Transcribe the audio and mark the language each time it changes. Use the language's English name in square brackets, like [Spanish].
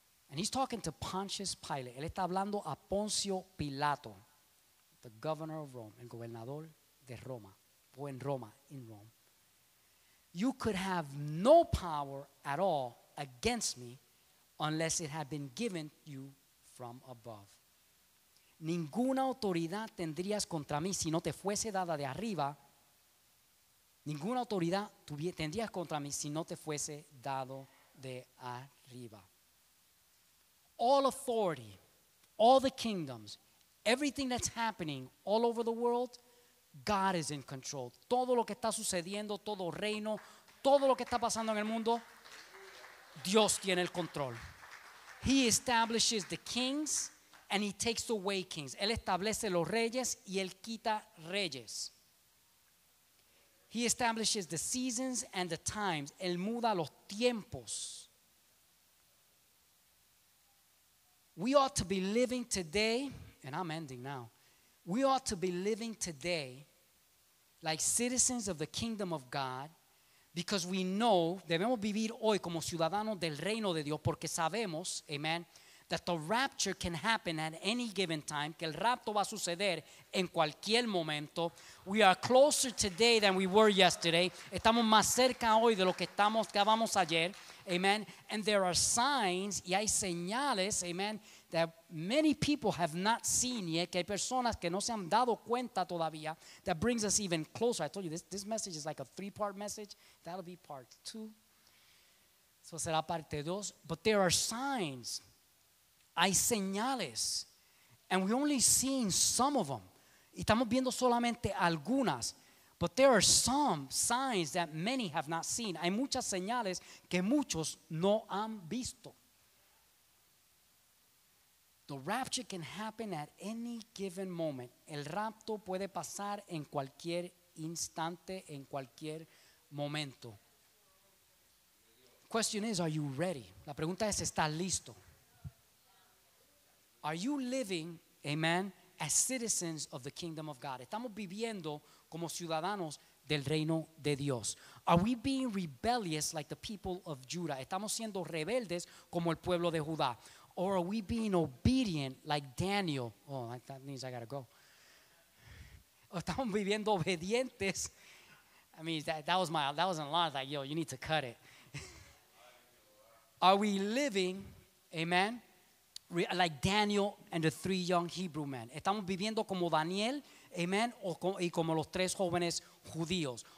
[English] And he's talking to Pontius Pilate. [Spanish] Él está hablando a Poncio Pilato, [English] the governor of Rome, [Spanish] el gobernador de Roma, o en Roma, [English] in Rome. You could have no power at all against me unless it had been given you from above. [Spanish] Ninguna autoridad tendrías contra mí si no te fuese dada de arriba. Ninguna autoridad tendrías contra mí si no te fuese dado de arriba. [English] All authority, all the kingdoms, everything that's happening all over the world, God is in control. [Spanish] Todo lo que está sucediendo, todo reino, todo lo que está pasando en el mundo, Dios tiene el control. [English] He establishes the kings and he takes away kings. [Spanish] Él establece los reyes y él quita reyes. [English] He establishes the seasons and the times. [Spanish] Él muda los tiempos. [English] We ought to be living today, and I'm ending now. We ought to be living today like citizens of the kingdom of God, because we know, [Spanish] debemos vivir hoy como ciudadanos del reino de Dios, porque sabemos, [English] amen, that the rapture can happen at any given time, [Spanish] que el rapto va a suceder en cualquier momento. [English] We are closer today than we were yesterday. [Spanish] Estamos más cerca hoy de lo que estamos, que vamos ayer, amen. [English] And there are signs, [Spanish] y hay señales, [English] amen, that many people have not seen yet, [Spanish] que hay personas que no se han dado cuenta todavía, [English] that brings us even closer. I told you, this message is like a three-part message. That'll be part two. [Spanish] Eso será parte dos. [English] But there are signs. [Spanish] Hay señales. [English] And we're only seeing some of them. [Spanish] Y estamos viendo solamente algunas. [English] But there are some signs that many have not seen. [Spanish] Hay muchas señales que muchos no han visto. [English] The rapture can happen at any given moment. [Spanish] El rapto puede pasar en cualquier instante, en cualquier momento. [English] Question is, are you ready? [Spanish] La pregunta es, ¿estás listo? [English] Are you living, amen, as citizens of the kingdom of God? [Spanish] ¿Estamos viviendo como ciudadanos del reino de Dios? [English] Are we being rebellious like the people of Judah? [Spanish] ¿Estamos siendo rebeldes como el pueblo de Judá? [English] Or are we being obedient like Daniel? Oh, that means I gotta go. [Spanish] Estamos viviendo obedientes. [English] I mean, that was a lot. Like, yo, you need to cut it. Are we living, amen, like Daniel and the three young Hebrew men? [Spanish] Estamos viviendo como Daniel, amen, y como los tres jóvenes judíos.